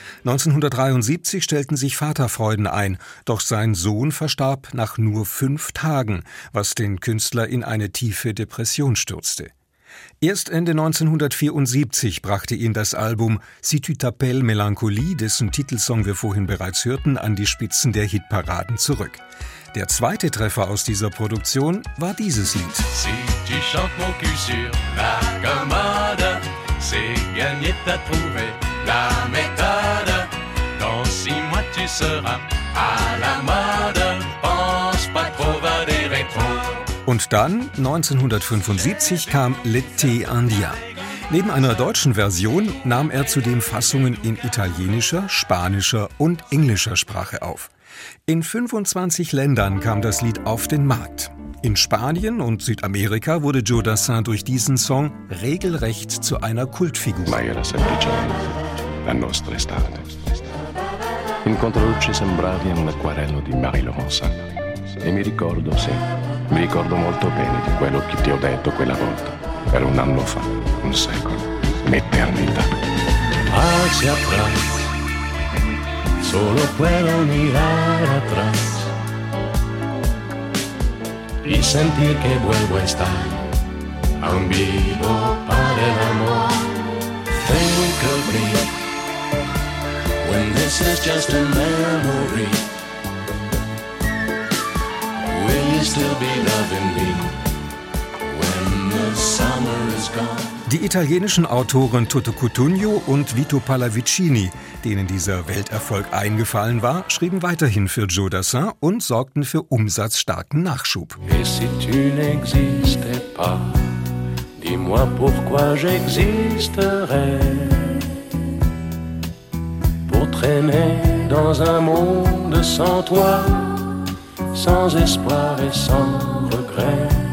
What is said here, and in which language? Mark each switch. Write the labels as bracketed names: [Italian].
[German] 1973 stellten sich Vaterfreuden ein, doch sein Sohn verstarb nach nur 5 Tagen, was den Künstler in eine tiefe Depression stürzte. Erst Ende 1974 brachte ihn das Album Si tu t'appelles Melancholie, dessen Titelsong wir vorhin bereits hörten, an die Spitzen der Hitparaden zurück. Der zweite Treffer aus dieser Produktion war dieses Lied. [French] Si tu chantes mon cul sur la commode, c'est gagné, t'as trouvé la méthode. Dans 6 mois tu seras à la mode, pense pas trop, va des rétro. [German] Und dann, 1975, kam L'été Indien. Neben einer deutschen Version nahm er zudem Fassungen in italienischer, spanischer und englischer Sprache auf. In 25 Ländern kam das Lied auf den Markt. In Spanien und Südamerika wurde Joe Dassin durch diesen Song regelrecht zu einer Kultfigur. [Italian] Maiera sempre gioia, la nostra estate. In controluce sembravi un acquarello di Marie Laurence. E mi ricordo, sì, mi ricordo molto bene di quello che ti ho detto quella volta. Era un anno fa, un secolo, un'eternità. [Spanish] Hacia atrás, solo puedo mirar atrás y sentir que vuelvo a estar a un vivo para el amor. [English] Think of me when this is just a memory. Will you still be loving me when the summer is gone? [German] Die italienischen Autoren Toto Cutugno und Vito Pallavicini, denen dieser Welterfolg eingefallen war, schrieben weiterhin für Joe Dassin und sorgten für umsatzstarken Nachschub. [French] Et si tu n'existais pas, dis-moi pourquoi j'existerais. Pour traîner dans un monde sans toi, sans espoir et sans regret.